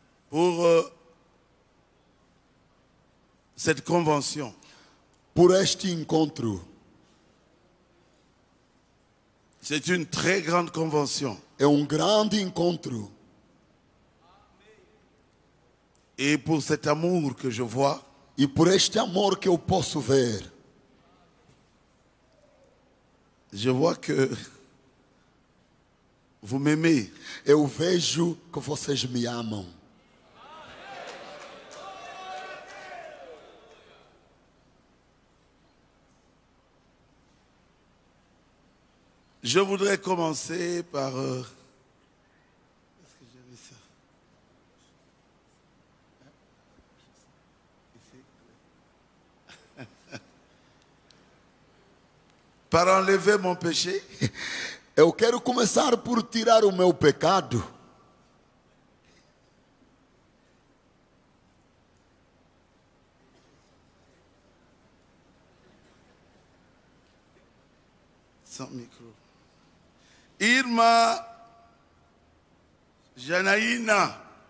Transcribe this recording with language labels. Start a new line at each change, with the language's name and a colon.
French: por cette convention.
Portuguese: Por este encontro.
French: C'est une très grande convention.
Portuguese: É um grande encontro.
French: Et pour cet amour que je vois,
Portuguese: e por este amor que eu posso ver,
French: je vois que vous m'aimez.
Portuguese: Eu vejo que vocês me amam.
French: Je voudrais commencer par par enlever mon péché.
Portuguese: Eu quero começar por tirar o meu pecado.
French: Sans micro. Irma Janaína.